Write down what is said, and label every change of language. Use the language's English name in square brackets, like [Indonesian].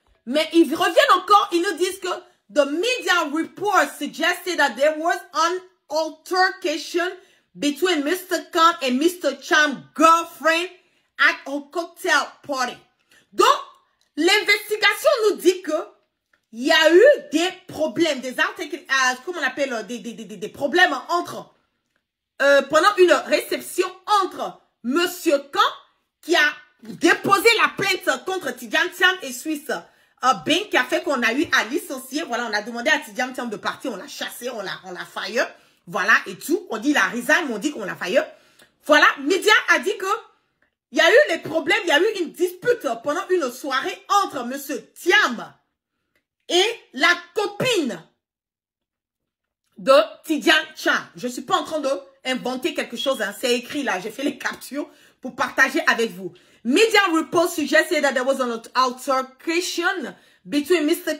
[French] Mais ils reviennent encore, ils nous disent que [English] the media report suggested that there was an altercation between Mr. Khan and Mr. Chang's girlfriend at a cocktail party. [French] Donc, l'investigation nous dit que il y a eu des problèmes, des problèmes entre pendant une réception entre Monsieur Khan, qui a déposé la plainte contre Tidiane Chang et Suisse Bank, qui a fait qu'on a eu à licencier. Voilà, on a demandé à Tidiane Chang de partir, on l'a chassé, on l'a fire. Voilà, et tout. On dit la résine, mais on dit qu'on l'a fire. Voilà, Media a dit que il y a eu les problèmes, il y a eu une dispute pendant une soirée entre M. Tiam et la copine de Tidjian Tcha. Je ne suis pas en train d'inventer quelque chose. Hein. C'est écrit là. J'ai fait les captures pour partager avec vous. [English] Media report suggested that there was an altercation between Mr.